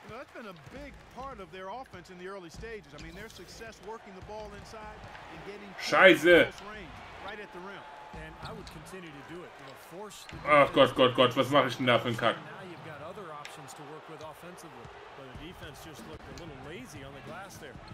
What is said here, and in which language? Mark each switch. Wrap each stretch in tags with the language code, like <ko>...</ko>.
<en>That's been a big part of their offense in the early stages. I mean, their success working the ball inside and getting</en> <de>Scheiße.</de> <en>Right at the rim. And I would continue to do it.</en> <de>Ach Gott, Gott, Gott, was mache ich denn da für einen Kack?</de> <en>Now you've got other options to work with offensively. But the defense just looked a little lazy on the glass there.</en>